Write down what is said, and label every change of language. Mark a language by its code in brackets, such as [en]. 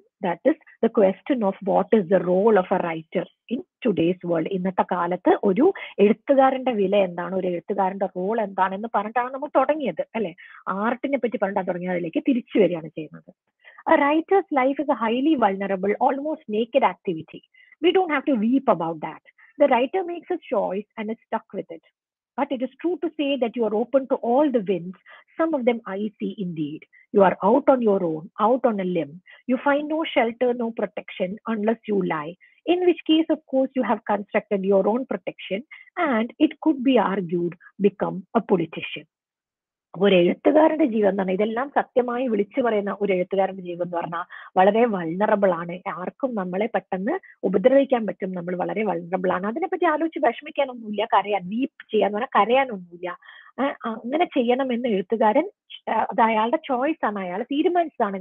[en] That is the question of what is the role of a writer in today's world. [ml] ഇന്നത്തെ കാലത്ത് ഒരു എഴുത്തുകാരന്റെ വില എന്താണ്, ഒരു എഴുത്തുകാരന്റെ റോൾ എന്താണെന്ന് പറഞ്ഞിട്ടാണ് നമ്മൾ തുടങ്ങിയത് അല്ലെ. ആർട്ടിനെ പറ്റി പറഞ്ഞാൽ തുടങ്ങിയ അതിലേക്ക് തിരിച്ചു വരികയാണ് ചെയ്യുന്നത്. [en] A writer's life is a highly vulnerable, almost naked activity. We don't have to weep about that. the writer makes a choice and is stuck with it. But it is true to say that you are open to all the winds, some of them icy indeed. You are out on your own, out on a limb. You find no shelter, no protection, unless you lie. In which case, of course, you have constructed your own protection and it could be argued become a politician. [ml] ഒരു എഴുത്തുകാരന്റെ ജീവൻ എന്ന് പറഞ്ഞാൽ ഇതെല്ലാം സത്യമായി വിളിച്ചു പറയുന്ന ഒരു എഴുത്തുകാരന്റെ ജീവൻ എന്ന് പറഞ്ഞാൽ വളരെ വൾനറബിൾ ആണ്. ആർക്കും നമ്മളെ പെട്ടെന്ന് ഉപദ്രവിക്കാൻ പറ്റും. നമ്മൾ വളരെ വൾനറബിൾ ആണ്. അതിനെപ്പറ്റി ആലോചിച്ച് വിഷമിക്കാനൊന്നുമില്ല, കരയാൻ, വീപ്പ് ചെയ്യാന്ന് പറഞ്ഞാൽ കരയാനൊന്നുമില്ല. അങ്ങനെ ചെയ്യണമെന്ന് എഴുത്തുകാരൻ, അത് അയാളുടെ ചോയ്സ് ആണ്, അയാൾ തീരുമാനിച്ചതാണ്.